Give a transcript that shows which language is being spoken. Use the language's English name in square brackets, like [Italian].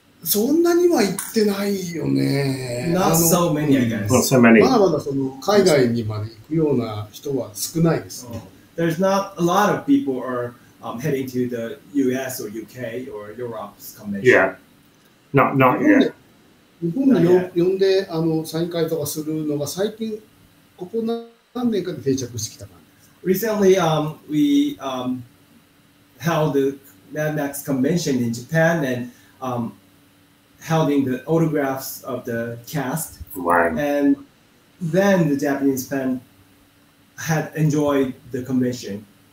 [Japanese] そんなには行ってないよね。 [English] Not so many, I guess. Not so many. [Japanese] まだまだその海外にまで行くような人は少ないです、ね。 [English] Oh. There's not a lot of people are、heading to the US or UK or Europe's convention. Yeah. Not yet. [Japanese] 日本に呼んでサイン会とかするのが最近、ここ何年かで定着してきた感じです。 [English] Recently, we held the Mad Max convention in Japan and holding the autographs of the cast. Right. And then the Japanese fan had enjoyed the convention.